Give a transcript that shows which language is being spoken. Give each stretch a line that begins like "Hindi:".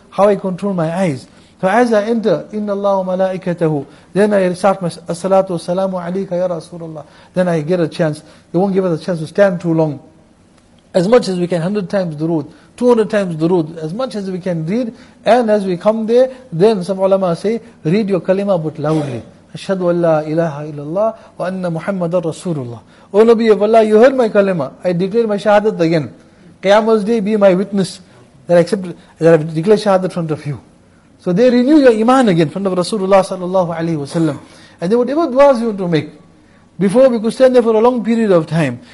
English: How I control my eyes. So as I enter,
Arabic: إِنَّ اللَّهُ مَلَائِكَتَهُ,
English: then I start my salatu wa salamu alayka ya Rasulullah. Then I get a chance. They won't give us a chance to stand too long. As much as we can, 100 times durood, 200 times durood, as much as we can read. And as we come there, then some ulama say, read your kalima but loudly.
Arabic: أشهد أن لا إله إلا الله وأن محمد رسول الله.
English: O Nabi of Allah, you heard my kalima. I declare my shahadat again. Qiyamah's day, be my witness that I accept, that I declare shahadat in front of you. So they renew your iman again in front of Rasulullah sallallahu alayhi wa sallam. And then whatever du'as you want to make, before we could stand there for a long period of time.